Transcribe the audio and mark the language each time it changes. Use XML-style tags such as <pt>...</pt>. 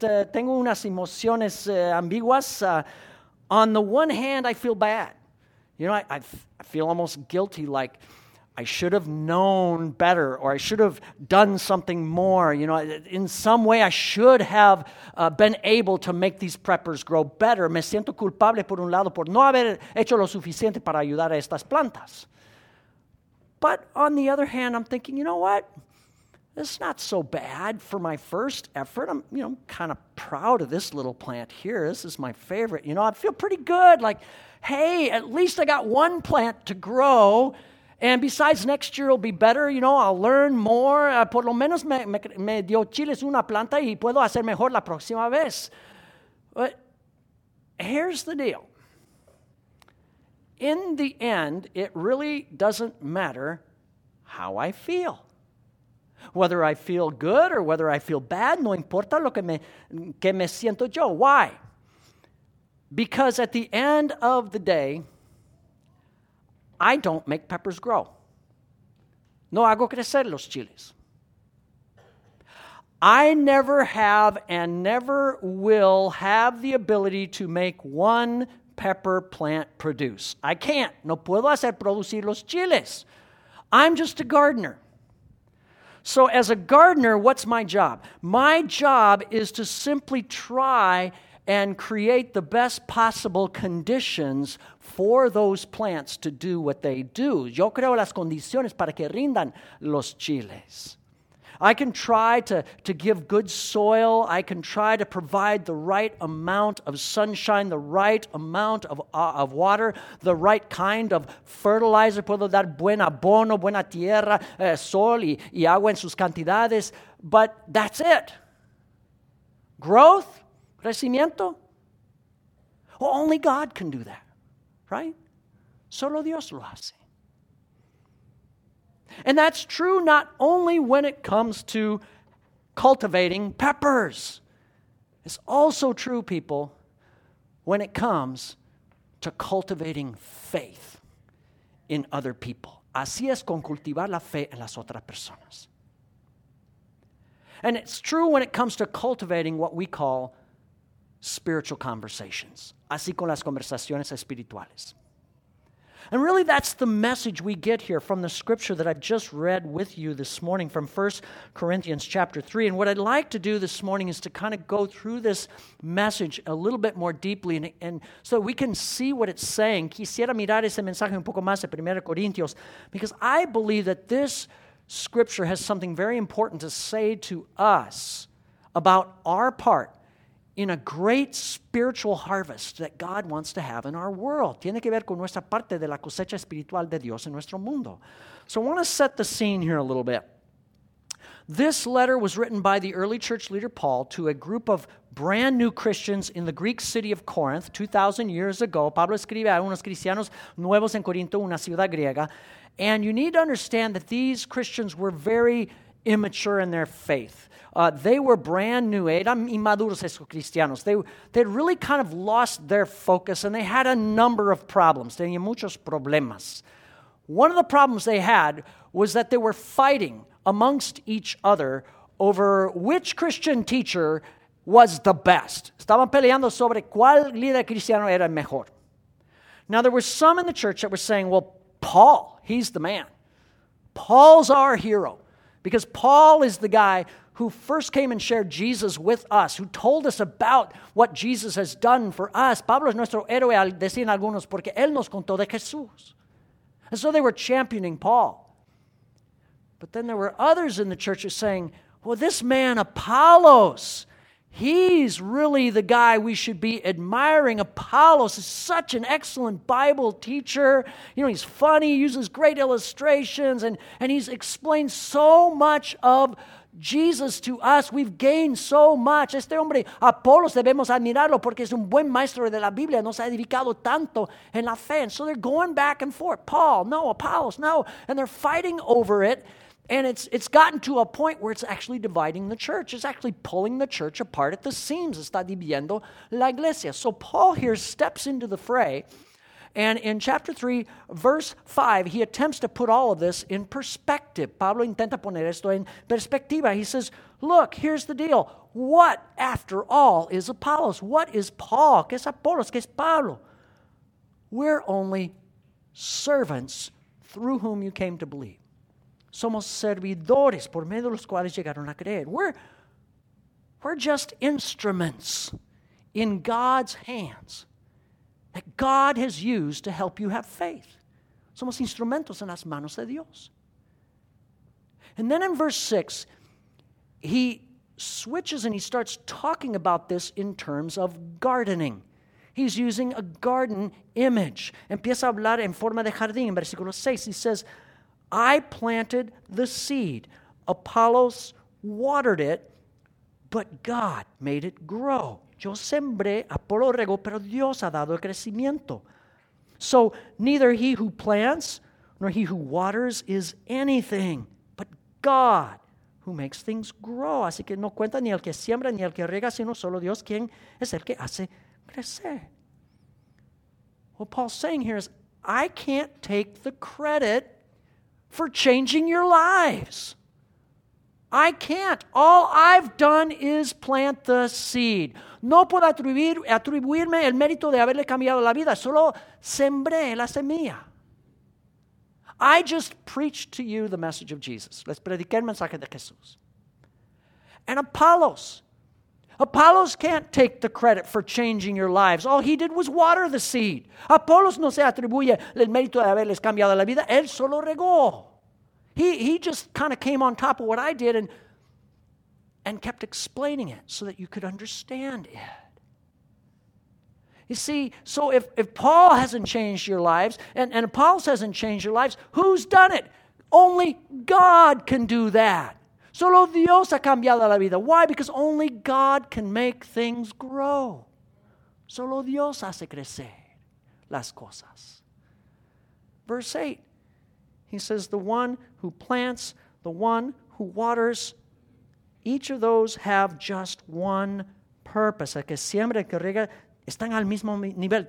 <es>Tengo unas emociones ambiguas.</es> <en>On the one hand, I feel bad. You know, I feel almost guilty, like I should have known better, or I should have done something more. You know, in some way, I should have been able to make these peppers grow better.</en> <es>Me siento culpable, por un lado, por no haber hecho lo suficiente para ayudar a estas plantas.</es> <en>But on the other hand, I'm thinking, you know what? It's not so bad for my first effort. I'm kind of proud of this little plant here. This is my favorite. You know, I feel pretty good. Like, hey, at least I got one plant to grow. And besides, next year will be better. You know, I'll learn more.</en> <es>Por lo menos me dio chiles una planta y puedo hacer mejor la próxima vez.</es> <en>But here's the deal. In the end, it really doesn't matter how I feel. Whether I feel good or whether I feel bad,</en> <es>no importa lo que me siento yo.</es> <en>Why? Because at the end of the day, I don't make peppers grow.</en> <es>No hago crecer los chiles.</es> <en>I never have and never will have the ability to make one pepper plant produce. I can't.</en> <es>No puedo hacer producir los chiles.</es> <en>I'm just a gardener. So as a gardener, what's my job? My job is to simply try and create the best possible conditions for those plants to do what they do.</en> <es>Yo creo las condiciones para que rindan los chiles.</es> <en>I can try to give good soil. I can try to provide the right amount of sunshine, the right amount of water, the right kind of fertilizer.</en> <es>Puedo dar buen abono, buena tierra, sol y agua en sus cantidades.</es> <en>But that's it. Growth?</en> <es>Crecimiento?</es> <en>Well, only God can do that, right?</en> <es>Solo Dios lo hace.</es> <en>And that's true not only when it comes to cultivating peppers. It's also true, people, when it comes to cultivating faith in other people.</en> <es>Así es con cultivar la fe en las otras personas.</es> <en>And it's true when it comes to cultivating what we call spiritual conversations.</en> <es>Así con las conversaciones espirituales.</es> <en>And really, that's the message we get here from the scripture that I've just read with you this morning from 1 Corinthians chapter 3. And what I'd like to do this morning is to kind of go through this message a little bit more deeply and so we can see what it's saying.</en> <es>Quisiera mirar ese mensaje un poco más de 1 Corintios,</es> <en>because I believe that this scripture has something very important to say to us about our part in a great spiritual harvest that God wants to have in our world.</en> <es>Tiene que ver con nuestra parte de la cosecha espiritual de Dios en nuestro mundo.</es> <en>So I want to set the scene here a little bit. This letter was written by the early church leader Paul to a group of brand new Christians in the Greek city of Corinth 2,000 years ago.</en> <es>Pablo escribe a unos cristianos nuevos en Corinto, una ciudad griega.</es> <en>And you need to understand that these Christians were very immature in their faith. They were brand new.</en> <es>Eran inmaduros esos cristianos.</es> <en>They'd really kind of lost their focus, and they had a number of problems.</en> <es>Tenían muchos problemas.</es> <en>One of the problems they had was that they were fighting amongst each other over which Christian teacher was the best.</en> <es>Estaban peleando sobre cuál líder cristiano era mejor.</es> <en>Now, there were some in the church that were saying, well, Paul, he's the man. Paul's our hero, because Paul is the guy who first came and shared Jesus with us, who told us about what Jesus has done for us.</en> <es>Pablo es nuestro héroe, decían algunos, porque él nos contó de Jesús.</es> <en>And so they were championing Paul. But then there were others in the church who were saying, well, this man, Apollos, He's really the guy we should be admiring. Apollos is such an excellent Bible teacher. You know, he's funny, uses great illustrations, and he's explained so much of Jesus to us. We've gained so much.</en> <es>Este hombre, Apollos, debemos admirarlo porque es un buen maestro de la Biblia. Nos ha edificado tanto en la fe.</es> <en>And so they're going back and forth. Paul, no, Apollos, no. And they're fighting over it. And it's gotten to a point where it's actually dividing the church. It's actually pulling the church apart at the seams.</en> <es>Está dividiendo la iglesia.</es> <en>So Paul here steps into the fray. And in chapter 3, verse 5, he attempts to put all of this in perspective.</en> <es>Pablo intenta poner esto en perspectiva.</es> <en>He says, look, here's the deal. What, after all, is Apollos? What is Paul?</en> <es>¿Qué es Apollos? ¿Qué es Pablo?</es> <en>We're only servants through whom you came to believe.</en> <es>Somos servidores por medio de los cuales llegaron a creer.</es> <en>We're just instruments in God's hands that God has used to help you have faith.</en> <es>Somos instrumentos en las manos de Dios.</es> <en>And then in verse 6, he switches and he starts talking about this in terms of gardening. He's using a garden image.</en> <es>Empieza a hablar en forma de jardín. En versículo 6,</es> <en>he says, I planted the seed. Apollos watered it, but God made it grow.</en> <es>Yo sembré, Apolo regó, pero Dios ha dado el crecimiento.</es> <en>So neither he who plants nor he who waters is anything, but God who makes things grow.</en> <es>Así que no cuenta ni el que siembra ni el que riega, sino solo Dios quien es el que hace crecer.</es> <en>What Paul's saying here is, I can't take the credit for changing your lives. I can't. All I've done is plant the seed.</en> <es>No puedo atribuirme el mérito de haberle cambiado la vida. Solo sembré la semilla.</es> <en>I just preached to you the message of Jesus.</en> <es>Les prediqué el mensaje de Jesús.</es> <en>And Apollos. Apollos can't take the credit for changing your lives. All he did was water the seed.</en> <es>Apollos no se atribuye el mérito de haberles cambiado la vida. Él solo regó.</es> <en>He just kind of came on top of what I did and kept explaining it so that you could understand it. You see, so if Paul hasn't changed your lives and Apollos hasn't changed your lives, who's done it? Only God can do that.</en> <es>Solo Dios ha cambiado la vida.</es> <en>Why? Because only God can make things grow.</en> <es>Solo Dios hace crecer las cosas.</es> <en>Verse 8. He says, the one who plants, the one who waters, each of those have just one purpose.</en> <es>El que siembra, el que riega, están al mismo nivel.</es>